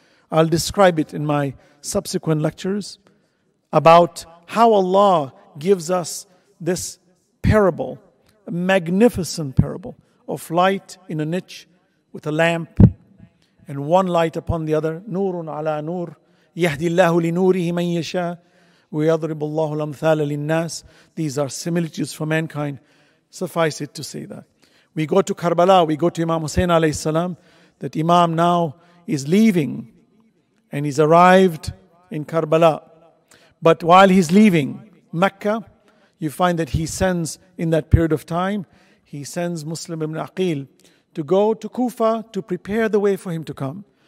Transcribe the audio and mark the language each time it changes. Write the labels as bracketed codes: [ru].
[en] I'll describe it in my subsequent lectures about how Allah gives us this parable, a magnificent parable of light in a niche with a lamp and one light upon the other, Nurun ala Nur. [ar] يَهْدِ اللَّهُ لِنُورِهِ مَنْ يَشَاءُ وَيَضْرِبُ اللَّهُ الْأَمْثَالَ لِلنَّاسِ [en] These are similitudes for mankind. Suffice it to say that. We go to Karbala, we go to Imam Hussein alayhi salam. That Imam now is leaving and he's arrived in Karbala. But while he's leaving Mecca, you find that he sends, in that period of time, he sends Muslim ibn Aqeel to go to Kufa to prepare the way for him to come.